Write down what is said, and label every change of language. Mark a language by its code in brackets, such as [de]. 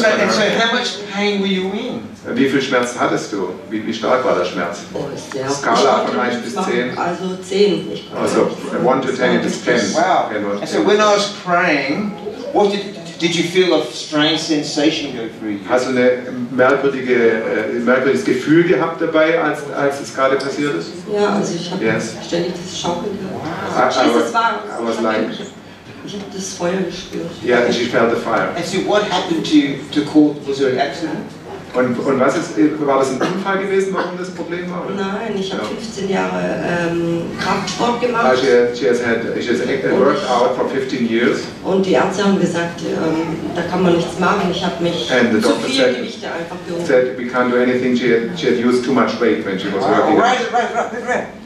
[en] ground. And how much pain were you in? [de] Wie viel Schmerz hattest du? Wie stark war der Schmerz? Oh, ist Skala von 1 bis 10? Also 10. [en] Also 1 to 10 is 10. Wow. So when I was praying, what did you feel a strange sensation go through you? [de] Hast du ein merkwürdiges Gefühl gehabt dabei, als es gerade passiert ist? Ja, also ich habe ständig das Schaukeln gehabt. [en] Wow. [de] Ich habe das Feuer gespürt. [en] Yeah, and she felt the fire. And so what happened to you, to call, was there an accident? [de] Und was ist, war das ein Unfall gewesen, warum das Problem war? Nein, ich habe 15 Jahre Kraftsport gemacht. [en] Ah, she has worked out for 15 years. [de] Und die Ärzte haben gesagt, da kann man nichts machen. Ich habe mich zu viel Gewichte einfach gehoben. [en] Said we can't do anything. She had used too much weight when she was working.